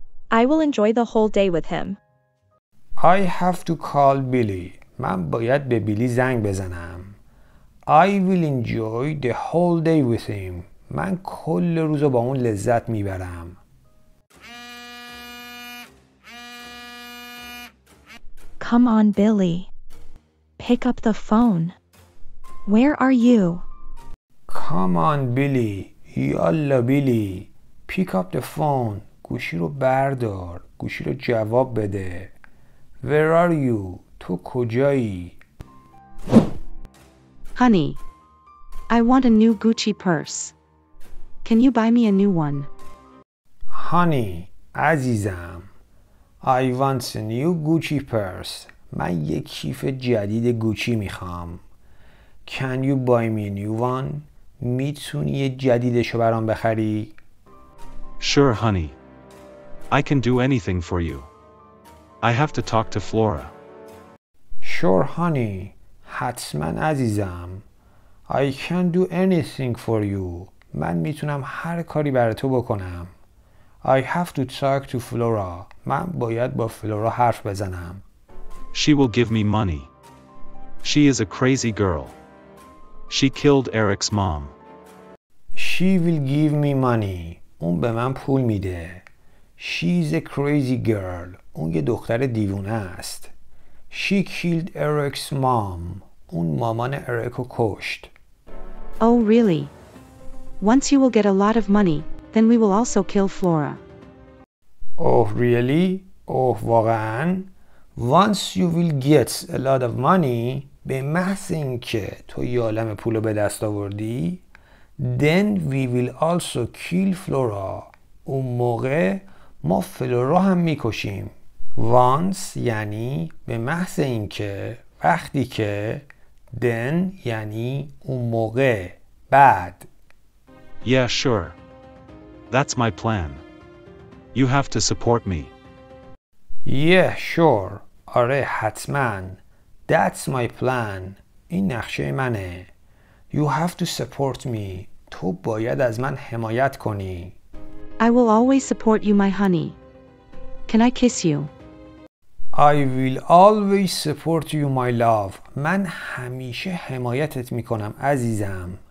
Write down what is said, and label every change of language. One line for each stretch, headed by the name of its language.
English: I will enjoy the whole day with him. I have to call Billy.
Persian: من باید به بیلی زنگ بزنم.
English: I will enjoy the whole day with him.
Persian: من کل روز با اون لذت میبرم.
English: Come on, Billy. Pick up the phone. Where are you? Come on, Billy. یالا, Billy. Pick up the phone.
Persian: گوشی رو بردار. گوشی رو جواب بده.
English: Where are you?
Persian: تو کجایی؟
English: Honey, I want a new Gucci purse. Can you buy me a new one? Honey, عزیزم. I want a new Gucci purse.
Persian: من یه کیف جدید گوچی میخوام.
English: Can you buy me a new one?
Persian: میتونی یه جدیدشو برام بخری؟
English: Sure, honey. I can do anything for you. I have to talk to Flora. Sure, honey.
Persian: حتما عزیزم.
English: I can do anything for you.
Persian: من میتونم هر کاری برای تو بکنم.
English: I have to talk to Flora.
Persian: من باید با فلورا حرف بزنم.
English: She will give me money. She is a crazy girl. She killed Eric's mom. She will give me money.
Persian: اون به من پول میده.
English: She's a crazy girl.
Persian: اون یه دختر دیوونه است.
English: She killed Eric's mom.
Persian: اون مامان اریکو کشت.
English: Oh really? Once you will get a lot of money, then we will also kill Flora. Oh really? Oh واقعاً؟ Once you will get a lot of money,
Persian: به محض این که تو یه عالم پول به دست آوردی,
English: then we will also kill Flora.
Persian: اون موقع ما فلورا هم میکشیم. Once یعنی به محض این که, وقتی که, then یعنی اون موقع, بعد.
English: Yeah, sure. That's my plan. You have to support me. Yeah, sure.
Persian: آره حتما.
English: That's my plan.
Persian: این نقشه منه.
English: You have to support me.
Persian: تو باید از من حمایت کنی.
English: I will always support you, my honey. Can I kiss you? I will always support you, my love.
Persian: من همیشه حمایتت میکنم عزیزم.